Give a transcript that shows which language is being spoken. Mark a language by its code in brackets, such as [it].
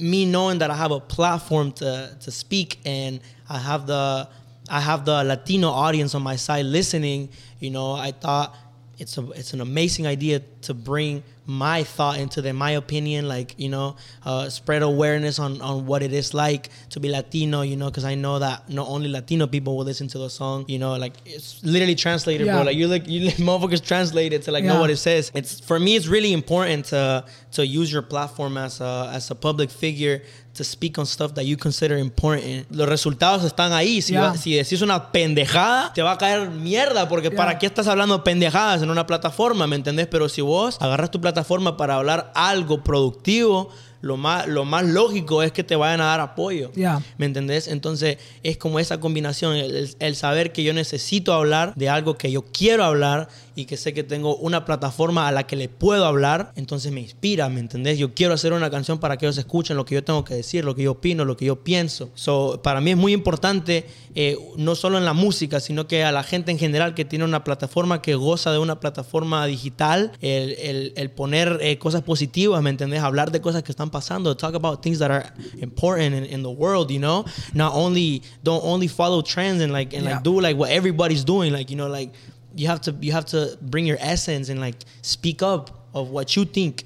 [en] Me knowing that I have a platform to speak and I have the Latino audience on my side listening, you know, I thought it's an amazing idea to bring my thought into them, my opinion, like, you know, spread awareness on what it is like to be Latino, you know, because I know that not only Latino people will listen to the song, you know, like, it's literally translated, bro. Like, you motherfuckers translate it to, like, know what it says. It's, for me, it's really important to use your platform as a public figure to speak on stuff that you consider important. [es] Los resultados están ahí. Si decís una pendejada, te va a caer mierda, porque para qué estás hablando pendejadas en una plataforma, ¿me entendés? Pero si vos agarras tu plataforma para hablar algo productivo, lo más lógico es que te vayan a dar apoyo. ¿Me entendés? Entonces, es como esa combinación, el saber que yo necesito hablar de algo que yo quiero hablar y que sé que tengo una plataforma a la que le puedo hablar, entonces me inspira, ¿me entendés? Yo quiero hacer una canción para que ellos escuchen lo que yo tengo que decir, lo que yo opino, lo que yo pienso. So, para mí es muy importante, no solo en la música, sino que a la gente en general que tiene una plataforma, que goza de una plataforma digital, el poner cosas positivas, ¿me entendés? Hablar de cosas que están pasando, [en] talk about things that are important in the world, you know? Don't only follow trends and like do like what everybody's doing, like, you know, like, You have to bring your essence and like speak up of what you think.